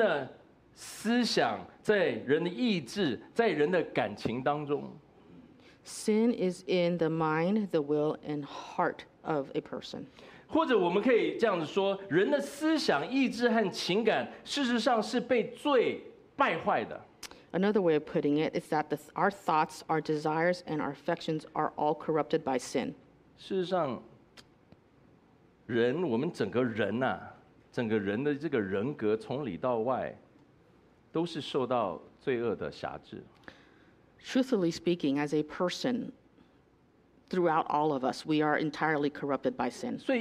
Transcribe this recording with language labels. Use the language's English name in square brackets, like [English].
[Chinese] 这个罪事实上是冲刺在人的思想。在人的意志，在人的感情当中， [English] sin is in the mind, the will, and heart of a person. [Chinese] 或者我们可以这样子说，人的思想、意志和情感，事实上是被罪败坏的。 [English] Another way of putting it is that our thoughts, our desires, and our affections are all corrupted by sin. [Chinese] 事实上，人，我们整个人呐，整个人的这个人格，从里到外。 [English] Truthfully speaking, as a person, throughout all of us, we are entirely corrupted by sin.